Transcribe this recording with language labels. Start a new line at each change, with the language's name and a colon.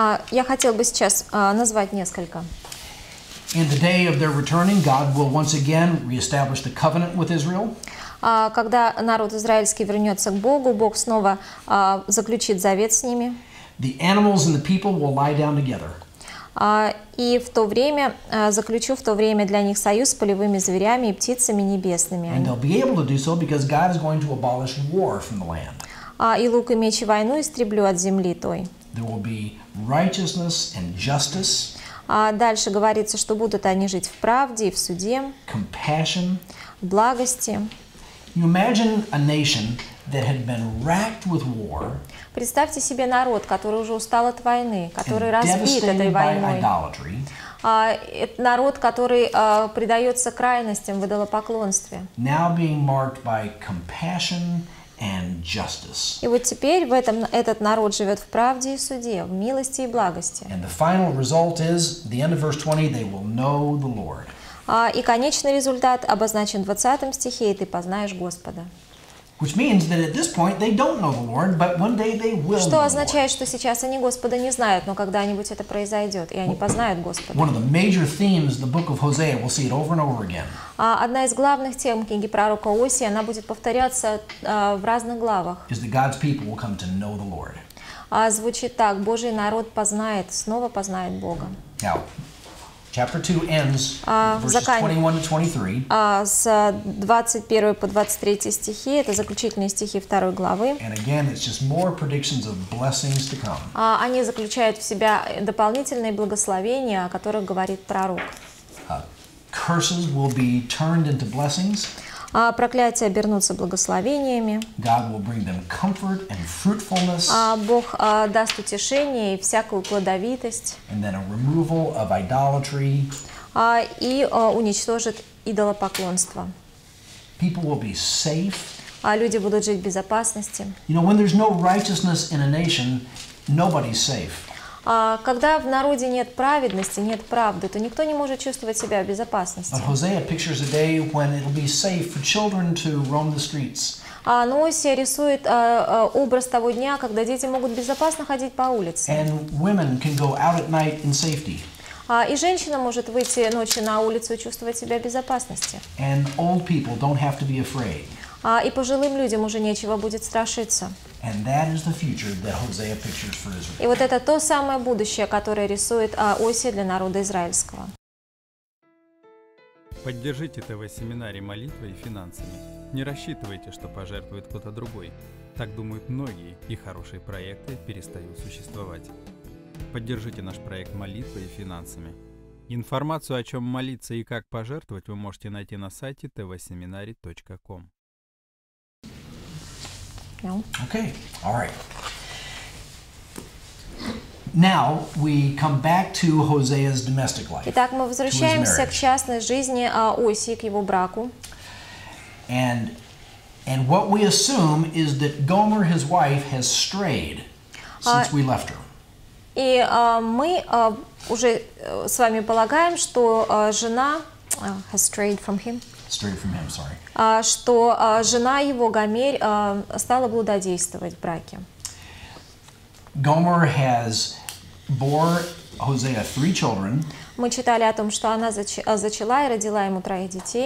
Russian: Я хотел бы сейчас назвать несколько.
English: In the day of their returning, God will once again reestablish the covenant with Israel.
Russian: Когда народ израильский вернется к Богу, Бог снова заключит завет с ними.
English: The animals and the people will lie down together.
Russian: И в то время заключу в то время для них союз с полевыми зверями и птицами небесными.
English: And they'll be able to do so because God is going to abolish war from the land.
Russian: И лук и меч и войну истреблю от земли той.
English: There will be righteousness and justice.
Russian: Дальше говорится, что будут они жить в правде и в суде.
English: Compassion.
Russian: В благости.
English: You imagine a nation that had been racked with war.
Russian: Представьте себе народ, который уже устал от войны, который разбит этой войной. Это народ, который предается крайностям в идолопоклонстве.
English: Now being marked by compassion and justice.
Russian: И вот теперь в этом этот народ живет в правде и суде, в милости и благости.
English: And the final result is the end of verse 20, they will know the Lord.
Russian: И конечный результат обозначен в 20 стихе, и ты познаешь Господа.
English: Which means that at this point they don't know the Lord, but one day they will.
Russian: Что означает, что сейчас они Господа не знают, но когда-нибудь это произойдет, и они познают Господа.
English: One of the major themes the book of Hosea, we'll see it over and over again.
Russian: Одна из главных тем книги пророка Осии, она будет повторяться в разных главах.
English: Is that God's people will come to know the Lord.
Russian: Звучит так: Божий народ познает, снова познает Бога.
English: Now, chapter 2 ends verses 21-23. And again, it's just more predictions of blessings to come.
Russian: Они заключают в себя дополнительные благословения, о которых говорит пророк.
English: Curses will be turned into blessings.
Russian: Проклятия обернутся благословениями.
English: God will bring them comfort and fruitfulness.
Russian: Бог даст утешение и всякую плодовитость.
English: And then a removal of idolatry.
Russian: Уничтожит идолопоклонство.
English: People will be safe.
Russian: Люди будут жить в безопасности.
English: You know, when there's no righteousness in a nation, nobody's safe.
Russian: Когда в народе нет праведности, нет правды, то никто не может чувствовать себя в безопасности.
English: But Hosea pictures a day when it'll be safe for children to roam the streets.
Russian: Нося рисует образ того дня, когда дети могут безопасно ходить по улице.
English: And women can go out at night in safety.
Russian: И женщина может выйти ночью на улицу и чувствовать себя в безопасности.
English: And old people don't have to be afraid.
Russian: И пожилым людям уже нечего будет страшиться.
English: And that is the future that Hosea pictures for Israel.
Russian: И вот это то самое будущее, которое рисует Осия для народа израильского. Поддержите ТВ-семинарий молитвой и финансами. Не рассчитывайте, что пожертвует кто-то другой. Так думают многие, и хорошие проекты перестают существовать. Поддержите наш проект молитвой и финансами. Информацию, о чем молиться и как пожертвовать, вы можете найти на сайте tvseminary.com.
English: Okay, all right. Now we come back to Hosea's domestic life.
Russian: Итак, мы возвращаемся к частной жизни Осии, к его браку.
English: And what we assume is that Gomer, his wife, has strayed since we left her.
Russian: И мы уже с вами полагаем, что жена
English: has strayed from him. Strayed from him, sorry.
Russian: Что жена его Гомерь стала блудодействовать в браке.
English: Gomer has bore Hosea 3 children.
Russian: Мы читали о том, что она зачала и родила ему 3 детей.